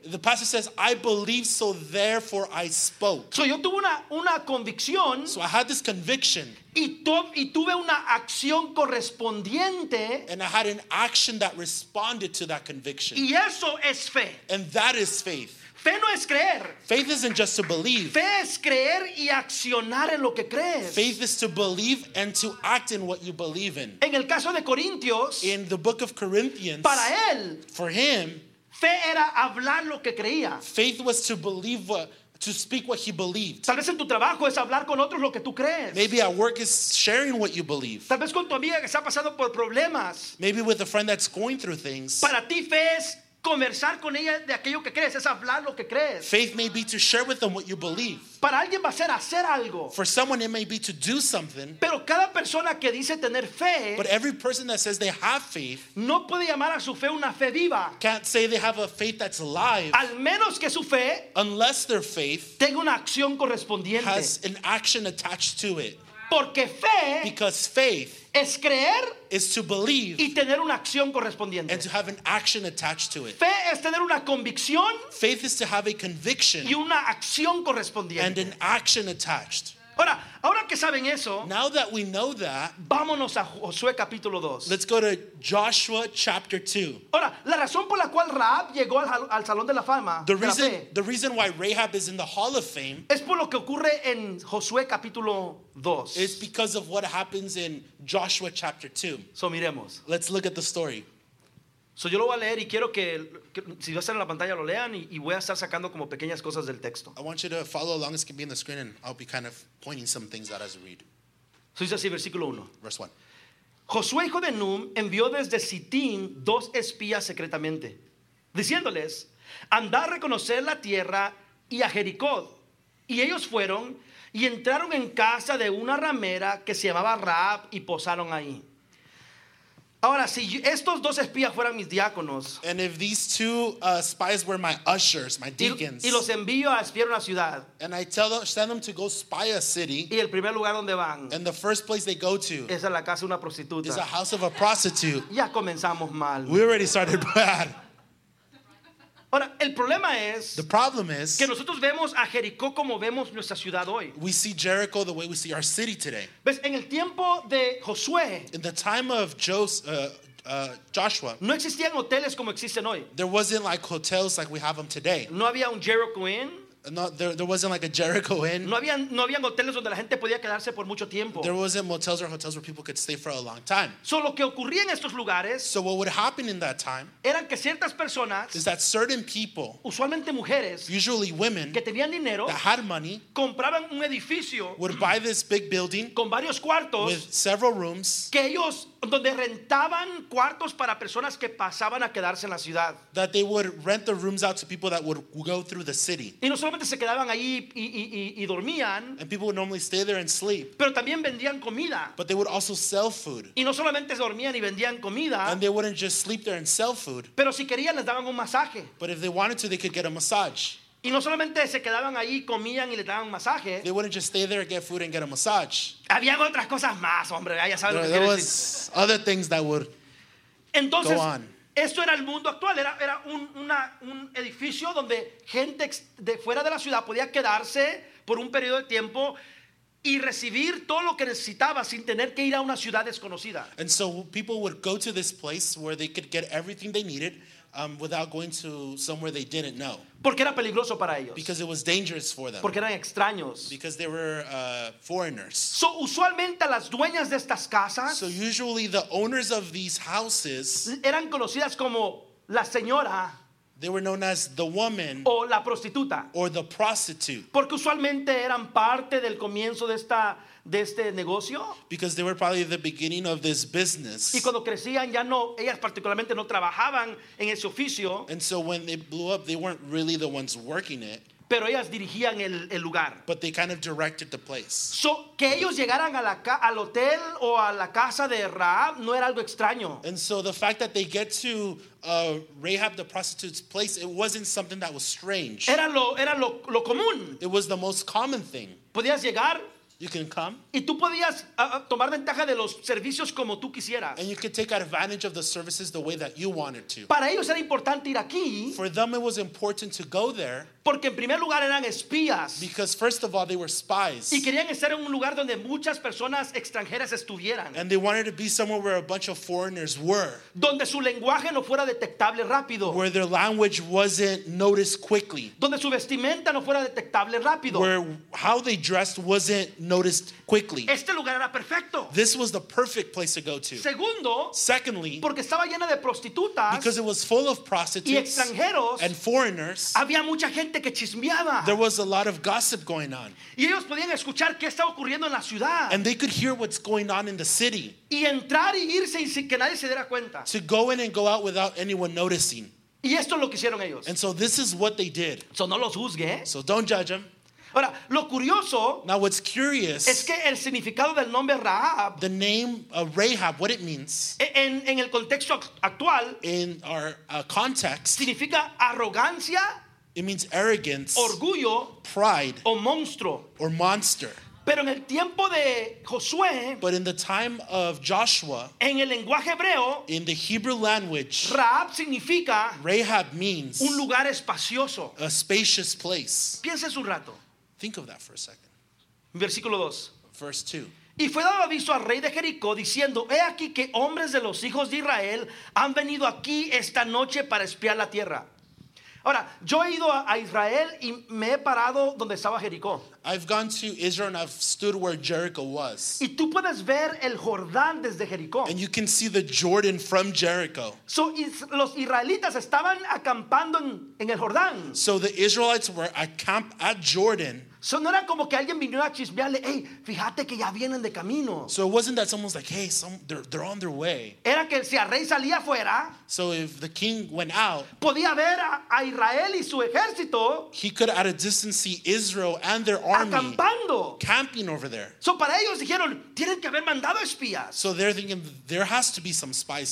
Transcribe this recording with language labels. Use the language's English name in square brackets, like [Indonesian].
[English] The pastor says, I believe, so therefore I spoke. [Spanish] So yo tuve una convicción. [English] So I had this conviction. [Spanish] Y tuve una acción correspondiente. [English] And I had an action that responded to that conviction. [Spanish] Y eso es fe. [English] And that is faith. [Spanish] Fe no es creer. [English] Faith isn't just to believe. [Spanish] Fe es creer y accionar en lo que crees. [English] Faith is to believe and to act in what you believe in. [Spanish] En el caso de Corintios, [English] in the book of Corinthians, [Spanish] para él, [English] for him, [Spanish] fe era hablar lo que creía. [English] Faith was to believe what, to speak what he believed. [Spanish] Tal vez en tu trabajo es hablar con otros lo que tú crees. [English] Maybe at work is sharing what you believe. [Spanish] Tal vez con tu amiga que está pasando por problemas. [English] Maybe with a friend that's going through things. [Spanish] Para ti fe es conversar con ella de aquello que crees, es hablar lo que crees. [English] Faith may be to share with them what you believe. [Spanish] Para alguien va a ser hacer algo. [English] For someone it may be to do something. [Spanish] Pero cada persona que dice tener fe, [English] but every person that says they have faith, [Spanish] no puede llamar a su fe una fe viva. [English] Can't say they have a faith that's alive. [Spanish] Al menos que su fe, [English] unless their faith, [Spanish] tenga una acción correspondiente. [English] Has an action attached to it. [Spanish] Porque fe, [English] because faith, [Spanish] es creer, [English] is to believe, [Spanish] y tener una acción correspondiente, [English] and to have an action attached to it. [Spanish] Fe es tener una convicción, [English] faith is to have a conviction, [Spanish] y una acción correspondiente, [English] and an action attached. [Spanish] Ahora que saben eso, [English] now that we know that, [Spanish] vámonos a Josué capítulo 2. [English] Let's go to Joshua chapter 2. [Spanish] Ahora, la razón por la cual Rahab llegó al salón de la fama, [English] the reason why Rahab is in the Hall of Fame, [Spanish] es por lo que ocurre en Josué capítulo 2. [English] It's because of what happens in Joshua chapter 2. [Spanish] So miremos. [English] Let's look at the story. [Spanish] So yo lo voy a leer y quiero que si va a estar en la pantalla lo lean y voy a estar sacando como pequeñas cosas del texto. [English] I want you to follow along as can be in the screen and I'll be kind of pointing some things out as we read. [Spanish] So dice así, versículo 1. [English] Verse 1. [Spanish] Josué hijo de Nun envió desde Sittim dos espías secretamente, diciéndoles, andad a reconocer la tierra y a Jericó. Y ellos fueron y entraron en casa de una ramera que se llamaba Rahab y posaron ahí. Ahora, si estos dos espías fueran mis diáconos, [English] and if these two spies were my ushers, my deacons, [Spanish] y los envío a espiar una ciudad, [English] and I tell them, send them to go spy a city, [Spanish] y el primer lugar donde van, [English] and the first place they go to [Spanish] es a la casa de una prostituta, [English] is a house of a prostitute, [Spanish] ya comenzamos mal. [English] We already started bad. [Spanish] Ahora, el problema es, [English] the problem is [Spanish] que nosotros vemos a Jericó como vemos nuestra ciudad hoy. [English] We see Jericho the way we see our city today. [Spanish] ¿Ves? En el tiempo de Josué, [English] in the time of Joshua, [Spanish] no existían hoteles como existen hoy. [English] There wasn't like hotels like we have them today. [Spanish] No había un Jericho Inn. [English] there wasn't like a Jericho Inn. [Spanish] No habían hoteles donde la gente podía quedarse por mucho tiempo. [English] There wasn't motels or hotels where people could stay for a long time. [Spanish] So lo que ocurría en estos lugares. [English] So what would happen in that time? [Spanish] Eran que ciertas personas. [English] Is that certain people? [Spanish] Usualmente mujeres. [English] Usually women. [Spanish] Que tenían dinero. [English] That had money. [Spanish] Compraban un edificio. [English] Would buy this big building. [Spanish] Con varios cuartos. [English] With several rooms. [Spanish] Que ellos donde rentaban cuartos para personas que pasaban a quedarse en la ciudad. [English] That they would rent the rooms out to people that would go through the city. [Spanish] Y no solamente se quedaban ahí y dormían. [English] And people would normally stay there and sleep. [Spanish] Pero también vendían comida. [English] But they would also sell food. [Spanish] Y no solamente dormían y vendían comida. [English] And they wouldn't just sleep there and sell food. [Spanish] Pero si querían les daban un masaje. [English] But if they wanted to, they could get a massage. [Spanish] Y no solamente se quedaban ahí, comían y les daban masaje. [English] They wouldn't just stay there, get food and get a massage. [Spanish] Había otras cosas más, hombre. Ya sabes lo que quiero decir. [English] Other things that would [Spanish] entonces, [English] go on. [Spanish] Esto era el mundo actual. Era un edificio donde gente de fuera de la ciudad podía quedarse por un periodo de tiempo y recibir todo lo que necesitaba sin tener que ir a una ciudad desconocida. [English] And so people would go to this place where they could get everything they needed without going to somewhere they didn't know. [Spanish] Porque era peligroso para ellos. [English] Because it was dangerous for them. [Spanish] Porque eran extraños. [English] Because they were foreigners. [Spanish] So usualmente las dueñas de estas casas. [English] So usually the owners of these houses. [Spanish] Eran conocidas como la señora. [English] They were known as the woman. [Spanish] O la prostituta. [English] Or the prostitute. [Spanish] Porque usualmente eran parte del comienzo de esta de este negocio. [English] Because they were probably the beginning of this business. [Spanish] Y cuando crecían ya no, ellas particularmente no trabajaban en ese oficio. [English] And so when they blew up, they weren't really the ones working it. [Spanish] Pero ellas dirigían el lugar. [English] But they kind of directed the place. [Spanish] So que ellos llegaran a al hotel o a la casa de Rahab no era algo extraño. [English] And so the fact that they get to Rahab the prostitute's place, it wasn't something that was strange. [Spanish] Era lo común. [English] It was the most common thing. [Spanish] Podías llegar. [English] You can come. [Spanish] Y tú podías tomar ventaja de los servicios como tú quisieras. [English] And you could take advantage of the services the way that you wanted to. [Spanish] Para ellos era importante ir aquí. [English] For them it was important to go there. [Spanish] Porque en primer lugar eran espías. [English] Because first of all they were spies. [Spanish] Y querían estar en un lugar donde muchas personas extranjeras estuvieran. [English] And they wanted to be somewhere where a bunch of foreigners were. [Spanish] Donde su lenguaje no fuera detectable rápido. [English] Where their language wasn't noticed quickly. [Spanish] Donde su vestimenta no fuera detectable rápido. [English] Where how they dressed wasn't noticed quickly. [Spanish] Este lugar era perfecto. [English] This was the perfect place to go to. [Spanish] Segundo, [English] secondly, [Spanish] porque estaba llena de prostitutas. [English] Because it was full of prostitutes [Spanish] y extranjeros, [English] and foreigners. [Spanish] Había mucha gente que chismeaba. [English] There was a lot of gossip going on. [Spanish] Y ellos podían escuchar qué estaba ocurriendo en la ciudad. [English] And they could hear what's going on in the city. [Spanish] Y entrar y irse y sin que nadie se diera cuenta. [English] To go in and go out without anyone noticing. [Spanish] Y esto es lo que hicieron ellos. [English] And so this is what they did. [Spanish] So no los juzgue. [English] So don't judge them. [Spanish] Ahora, lo curioso, [English] now what's curious [Spanish] es que el significado del nombre Rahab, [English] the name of Rahab, what it means [Spanish] en el contexto actual, [English] in our context, [Spanish] significa arrogancia, [English] it means arrogance, [Spanish] orgullo, [English] pride, [Spanish] o monstruo, [English] or monster. [Spanish] Pero en el tiempo de Josué, [English] but in the time of Joshua, [Spanish] en el lenguaje hebreo, [English] in the Hebrew language, [Spanish] Rahab significa, [English] Rahab means [Spanish] un lugar espacioso, [English] a spacious place. [Spanish] Pienses un rato. [English] Think of that for a second. [Spanish] Versículo 2. [English] Verse 2. [Spanish] Y fue dado aviso al rey de Jericó diciendo, he aquí que hombres de los hijos de Israel han venido aquí esta noche para espiar la tierra. Ahora, yo he ido a Israel y me he parado donde estaba Jericó. [English] I've gone to Israel and I've stood where Jericho was. [Spanish] Y tú puedes ver el Jordán desde Jericó. [English] And you can see the Jordan from Jericho. [Spanish] So los israelitas estaban acampando en el Jordán. [English] So the Israelites were encamped at Jordan. [Spanish] So no era como que alguien vinió a chismearle, hey, fíjate que ya vienen de camino. [English] So it wasn't that someone's like, hey, they're on their way. [Spanish] Era que si el rey salía fuera, [English] so if the king went out, [Spanish] podía ver a Israel y su ejército, [English] he could at a distance see Israel and their army [Spanish] acampando, [English] camping over there. [Spanish] So para ellos dijeron, tienen que haber mandado espías. [English] So they're thinking, there has to be some spies